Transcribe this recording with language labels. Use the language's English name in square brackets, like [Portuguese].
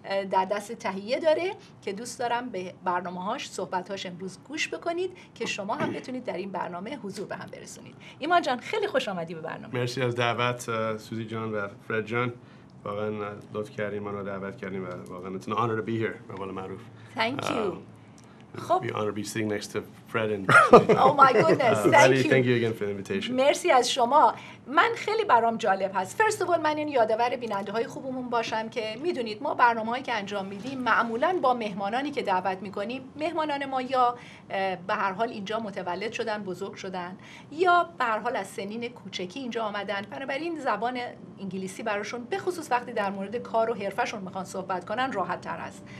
[Persian] در دست تهیه داره که دوست دارم به برنامه‌هاش، صحبت‌هاش امروز گوش بکنید که شما هم بتونید در این برنامه حضور به هم برسونید. ایمان جان خیلی خوش آمدی به برنامه. مرسی از دعوت سوزی جان و فرد جان، واقعا لطف کردی ما رو دعوت کردی و واقعا [English] it's an honor to be here [Persian] به قول معروف. [English] Thank you. خب be honored to be sitting next to Fred and oh my goodness, thank you again for the invitation. [Persian] مرسی از شما. من خیلی برام جالب هست، [English] first of all [Persian] من این یادآور بیننده های خوبمون باشم که میدونید ما برنامه هایی که انجام میدیم معمولا با مهمانانی که دعوت میکنیم، مهمانان ما یا به هر حال اینجا متولد شدن، بزرگ شدن، یا به هر حال از سنین کوچکی اینجا آمدن، بنابراین زبان انگلیسی براشون به خصوص وقتی در مورد کار و حرفشون میخوان صحبت کنن راحت تر است.